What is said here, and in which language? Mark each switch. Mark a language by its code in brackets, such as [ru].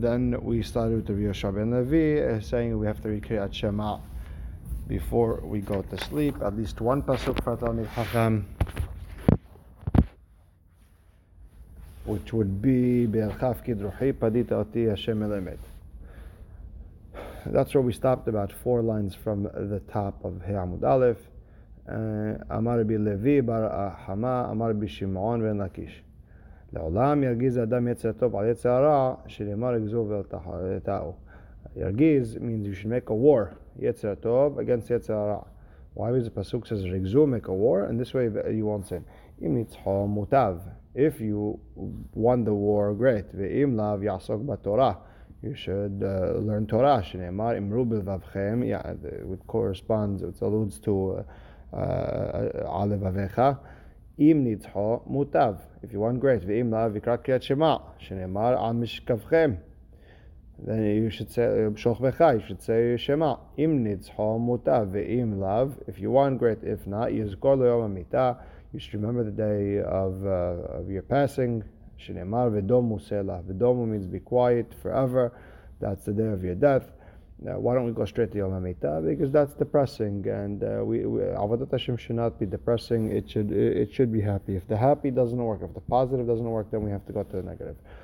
[en] Then we started with Rabbi Yoshua ben Levi saying we have to read Kriyat Shema before we go to sleep, at least one pasuk for Talmid Chacham, which would be [he] Be'erchav Kidruhi Padita Oti Hashem Elemet. [en] That's where we stopped, about four lines from the top of Hei Amud Aleph. [he] Amar Rabbi Levi Bar Ahama Amar Rabbi Shimon Ben Lakish. לעולם ירגיז האדם יצר טוב על יצר הרע שנאמר יגזור ותחרטהו. [en] ירגיז means you should make a war, יצר טוב against יצר הרע. Why is the pasuk says יגזור, make a war, and this way you won't sin? [he] אם ניצחו מוטב, [en] if you won the war, great. [he] ואם לאו יעסוק בתורה, [en] you should learn Torah, [he] שנאמר אמרו בלבבכם, [en] it corresponds, it alludes to [he] על לבביך. אם ניצחו מוטב, [en] if you want great, [he] ואם לא יקרא קריאת שמע, שנאמר על משכבכם, [en] then you should say, שוכבך, you should say שמע, [he] אם ניצחו מוטב, ואם לא, [en] if you want great, if not, [he] יזכור ליום המיטה, [en] you should remember the day of your passing, [he] שנאמר ודום מוסלה, [en] ודום means be quiet forever, that's the day of your death. Now, why don't we go straight to Yom HaMitah? Because that's depressing, and Avodat Hashem should not be depressing. It should be happy. If the happy doesn't work, if the positive doesn't work, then we have to go to the negative.